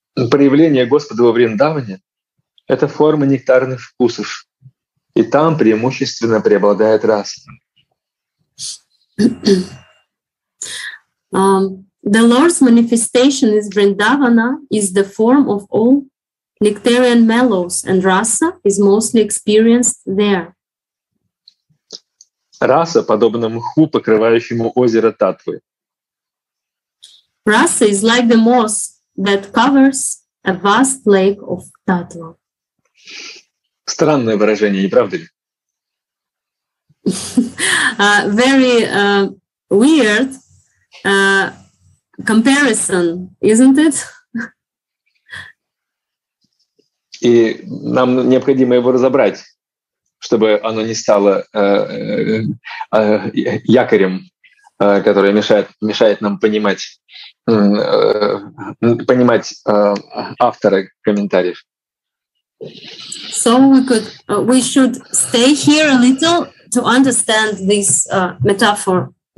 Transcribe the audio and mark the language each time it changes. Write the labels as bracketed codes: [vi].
[ru] Проявление Господа во Вриндаване — это форма нектарных вкусов, и там преимущественно преобладает раса. [en] The Lord's manifestation is Vrindavana is the form of all nectarian mellows, and rasa is mostly experienced there. [ru] Раса подобна мху, покрывающему озеро Татвы. [en] Rasa is like the moss that covers a vast lake of tattva. [ru] Странное выражение, не правда ли? [en] Very weird comparison, isn't it? [ru] И нам необходимо его разобрать, чтобы оно не стало якорем, который мешает нам понимать автора комментариев. [en] So we should stay here a little to understand this metaphor.